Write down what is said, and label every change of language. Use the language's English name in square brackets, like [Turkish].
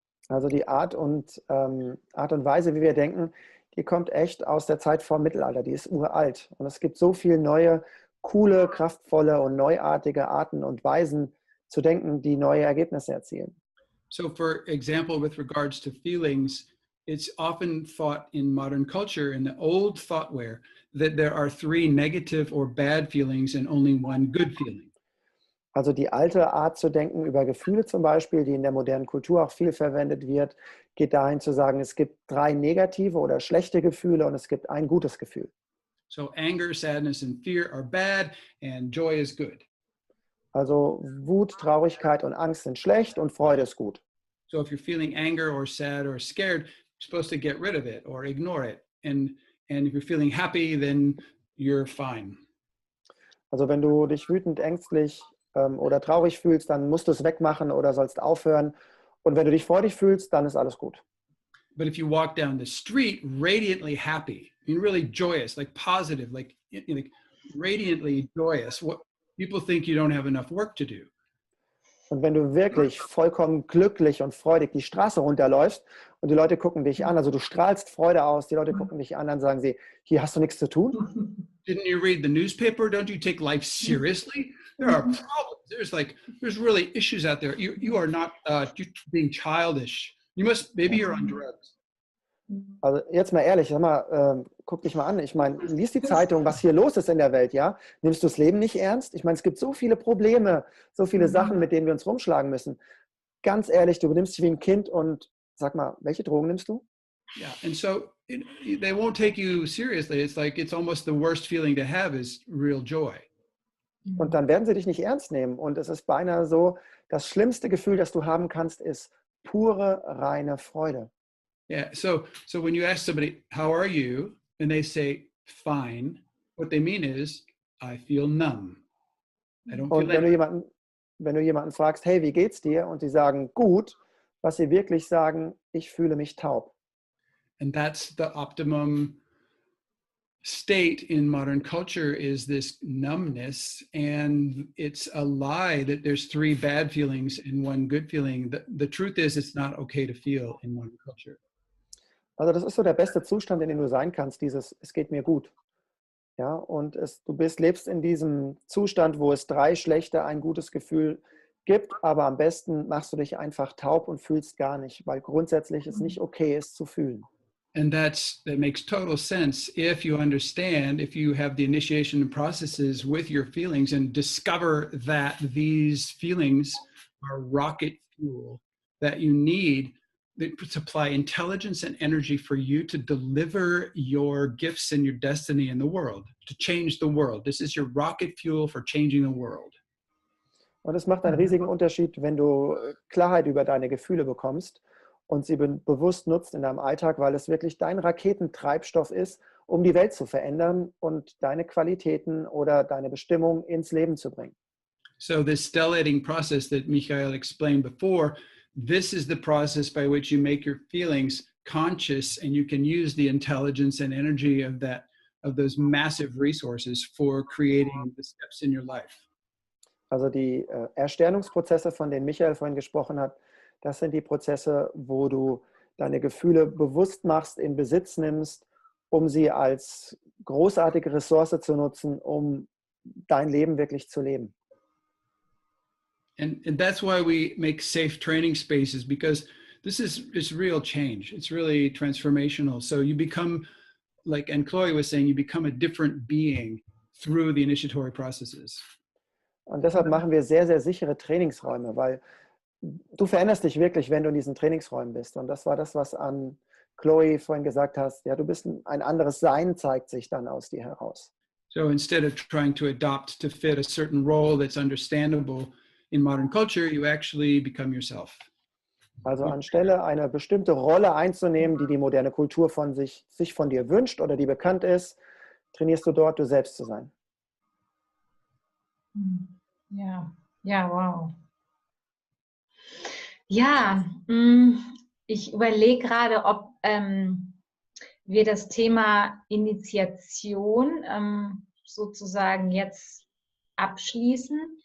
[German] Also die Art und Weise, wie wir denken, die kommt echt aus der Zeit vor dem Mittelalter. Die ist uralt. Und es gibt so viele neue, coole, kraftvolle und neuartige Arten und Weisen zu denken, die neue Ergebnisse erzielen. [English] So for example, with regards to feelings, it's often thought in modern culture, in the old thoughtware, that there are three negative or bad feelings and only one good feeling. [German] Also die alte Art zu denken über Gefühle zum Beispiel, die in der modernen Kultur auch viel verwendet wird, geht dahin zu sagen, es gibt drei negative oder schlechte Gefühle und es gibt ein gutes Gefühl. [English] So anger, sadness and fear are bad and joy is good. [German] Also Wut, Traurigkeit und Angst sind schlecht und Freude ist gut. [English] So if you're feeling anger or sad or scared, you're supposed to get rid of it or ignore it. And if you're feeling happy, then you're fine. [German] Also wenn du dich wütend, ängstlich oder traurig fühlst, dann musst du es wegmachen oder sollst aufhören. Und wenn du dich freudig fühlst, dann ist alles gut. [English] But if you walk down the street radiantly happy, I mean really joyous, like positive, like radiantly joyous, what people think you don't have enough work to do. [German] Und wenn du wirklich vollkommen glücklich und freudig die Straße runterläufst und die Leute gucken dich an, also du strahlst Freude aus, die Leute gucken dich an, dann sagen sie, hier hast du nichts zu tun. [English] Didn't you read the newspaper? Don't you take life seriously? There are problems. There's really issues out there. You are not you're being childish. You must, maybe you're on drugs. [German] Also jetzt mal ehrlich, sag mal, guck dich mal an. Ich meine, lies die Zeitung, was hier los ist in der Welt, ja? Nimmst du das Leben nicht ernst? Ich meine, es gibt so viele Probleme, so viele Sachen, mit denen wir uns rumschlagen müssen. Ganz ehrlich, du benimmst dich wie ein Kind und sag mal, welche Drogen nimmst du? [English] Yeah, and so they won't take you seriously. It's like it's almost the worst feeling to have is real joy. [German] Und dann werden sie dich nicht ernst nehmen. Und es ist beinahe so, das schlimmste Gefühl, das du haben kannst, ist pure, reine Freude. [English] Yeah, so when you ask somebody, how are you? And they say, fine. What they mean is, I feel numb. I don't feel like... [German] Wenn du jemanden fragst, hey, wie geht's dir? Und sie sagen, gut, was sie wirklich sagen, ich fühle mich taub. [English] And that's the optimum state in modern culture is this numbness. And it's a lie that there's three bad feelings and one good feeling. The truth is, it's not okay to feel in modern culture. [German] Also das ist so der beste Zustand, in dem du sein kannst, dieses, es geht mir gut. Ja, und es, du bist, lebst in diesem Zustand, wo es drei schlechte, ein gutes Gefühl gibt, aber am besten machst du dich einfach taub und fühlst gar nicht, weil grundsätzlich es nicht okay ist, zu fühlen. [English] And that makes total sense, if you understand, if you have the initiation processes with your feelings and discover that these feelings are rocket fuel that you need that supply intelligence and energy for you to deliver your gifts and your destiny in the world, to change the world. This is your rocket fuel for changing the world. [German] Und es macht einen riesigen Unterschied, wenn du Klarheit über deine Gefühle bekommst und sie bewusst nutzt in deinem Alltag, weil es wirklich dein Raketentreibstoff ist, um die Welt zu verändern und deine Qualitäten oder deine Bestimmung ins Leben zu bringen. [English] So this stellating process that Michael explained before, this is the process by which you make your feelings conscious and you can use the intelligence and energy of that, of those massive resources for creating the steps in your life. [German] Also die Ersternungsprozesse, von denen Michael vorhin gesprochen hat, das sind die Prozesse, wo du deine Gefühle bewusst machst, in Besitz nimmst, um sie als großartige Ressource zu nutzen, um dein Leben wirklich zu leben. [English] And that's why we make safe training spaces, because this is, it's real change. It's really transformational. So you become, like Anne Chloe was saying, you become a different being through the initiatory processes. [German] Und deshalb machen wir sehr, sehr sichere Trainingsräume, weil du veränderst dich wirklich, wenn du in diesen Trainingsräumen bist. Und das war das, was Anne Chloe vorhin gesagt hast. Ja, du bist ein anderes Sein, zeigt sich dann aus dir heraus. [English] So instead of trying to adopt to fit a certain role that's understandable, in modern culture, you actually become yourself. [German] Also anstelle eine bestimmte Rolle einzunehmen, die moderne Kultur von sich von dir wünscht oder die bekannt ist, trainierst du dort, du selbst zu sein. Ja, wow. Ja, ich überlege gerade, ob wir das Thema Initiation sozusagen jetzt abschließen.